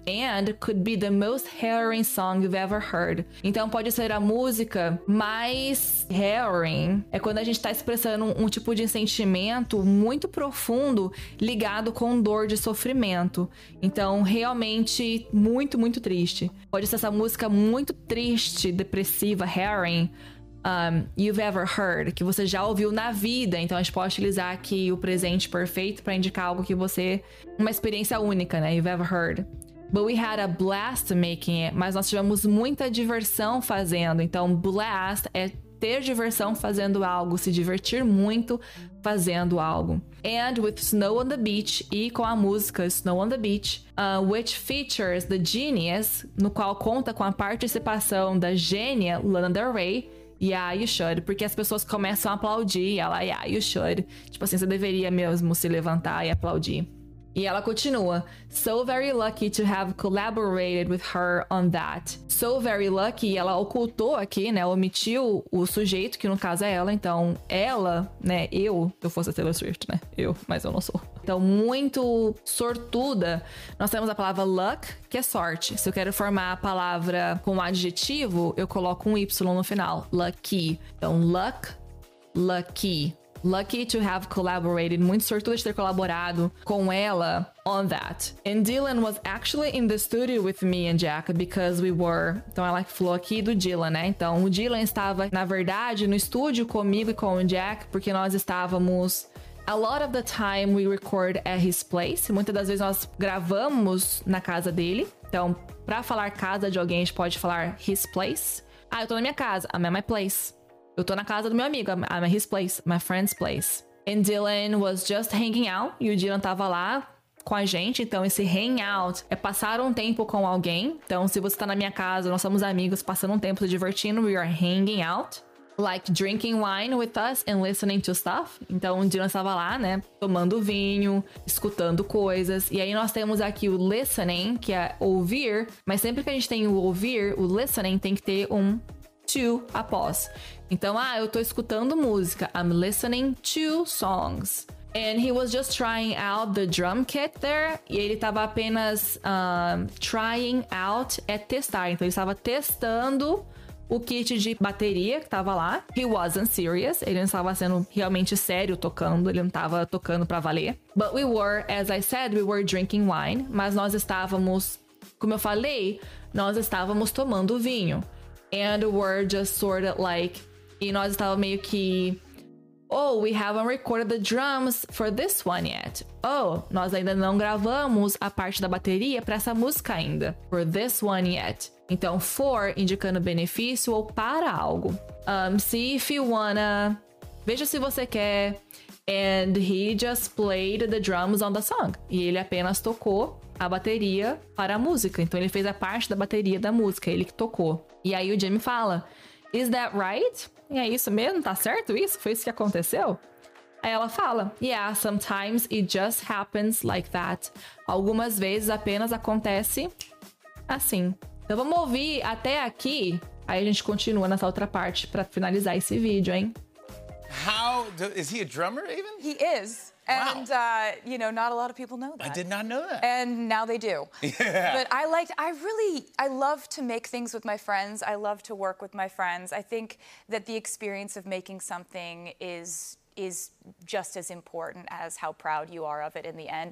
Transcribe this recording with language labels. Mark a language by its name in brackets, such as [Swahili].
[English] And could be the most harrowing song you've ever heard. [Portuguese] Então pode ser a música mais harrowing. É quando a gente está expressando um tipo de sentimento muito profundo ligado com dor de sofrimento. Então realmente muito, muito triste. Pode ser essa música muito triste, depressiva, harrowing. [English] You've ever heard, [Portuguese] que você já ouviu na vida. Então a gente pode utilizar aqui o presente perfeito pra indicar algo que você, uma experiência única, né? You've ever heard. [English] But we had a blast making it. [Portuguese] Mas nós tivemos muita diversão fazendo. Então blast é ter diversão fazendo algo, se divertir muito fazendo algo. [English] And with Snow on the Beach, [Portuguese] e com a música Snow on the Beach, [English] which features the genius, [Portuguese] no qual conta com a participação da gênia Lana Del Rey. [English] Yeah, you should. [Portuguese] Porque as pessoas começam a aplaudir. E ela, [English] yeah, you should. [Portuguese] Tipo assim, você deveria mesmo se levantar e aplaudir. E ela continua. [English] So very lucky to have collaborated with her on that. So very lucky. [Portuguese] Ela ocultou aqui, né? Omitiu o sujeito, que no caso é ela. Então, ela, né? Eu. Se eu fosse a Taylor Swift, né? Eu, mas eu não sou. Então, muito sortuda. Nós temos a palavra luck, que é sorte. Se eu quero formar a palavra com um adjetivo, eu coloco um Y no final. Lucky. Então, luck, lucky. [English] lucky to have collaborated, [Portuguese] muito sortudo de ter colaborado com ela [English] on that. And Dylan was actually in the studio with me and Jack because we were... [Portuguese] Então ela falou aqui do Dylan, né? Então o Dylan estava, na verdade, no estúdio comigo e com o Jack porque nós estávamos... [English] A lot of the time we record at his place. [Portuguese] Muitas das vezes nós gravamos na casa dele. Então, pra falar casa de alguém, a gente pode falar [English] his place. [Portuguese] Ah, eu tô na minha casa. [English] I'm at my place. [Portuguese] Eu tô na casa do meu amigo. [English] I'm at his place. My friend's place. And Dylan was just hanging out. [Portuguese] E o Dylan tava lá com a gente. Então, esse hang out é passar um tempo com alguém. Então, se você tá na minha casa, nós somos amigos, passando um tempo, se divertindo. [English] We are hanging out. Like drinking wine with us and listening to stuff. [Portuguese] Então, o Dylan estava lá, né? Tomando vinho, escutando coisas. E aí, nós temos aqui o listening, que é ouvir. Mas sempre que a gente tem o ouvir, o listening tem que ter um to após. Então, ah, eu tô escutando música. [English] I'm listening to songs. And he was just trying out the drum kit there. [Portuguese] E ele estava apenas trying out é testar. Então, ele estava testando... O kit de bateria que tava lá. [English] He wasn't serious. [Portuguese] Ele não estava sendo realmente sério tocando. Ele não estava tocando pra valer. [English] But we were, as I said, we were drinking wine. [Portuguese] Mas nós estávamos, como eu falei, nós estávamos tomando vinho. [English] And we're just sort of like... [Portuguese] E nós estávamos meio que... [English] Oh, we haven't recorded the drums for this one yet. [Portuguese] Oh, nós ainda não gravamos a parte da bateria pra essa música ainda. [English] For this one yet. [Portuguese] Então, for, indicando benefício ou para algo. [English] See if you wanna... [Portuguese] Veja se você quer. [English] And he just played the drums on the song. [Portuguese] E ele apenas tocou a bateria para a música. Então, ele fez a parte da bateria da música. Ele que tocou. E aí, o Jimmy fala... [English] Is that right? [Portuguese] E é isso mesmo? Tá certo isso? Foi isso que aconteceu? Aí ela fala... [English] Yeah, sometimes it just happens like that. [Portuguese] Algumas vezes apenas acontece assim. Então vamos ouvir até aqui, aí a gente continua nessa outra parte pra finalizar esse vídeo, hein? [English] How, do, is he a drummer even? He is. Wow. And, you know, not a lot of people know that. I did not know that. And now they do. Yeah. But I liked, I really, I love to make things with my friends. I love to work with my friends. I think that the experience of making something is just as important as how proud you are of it in the end.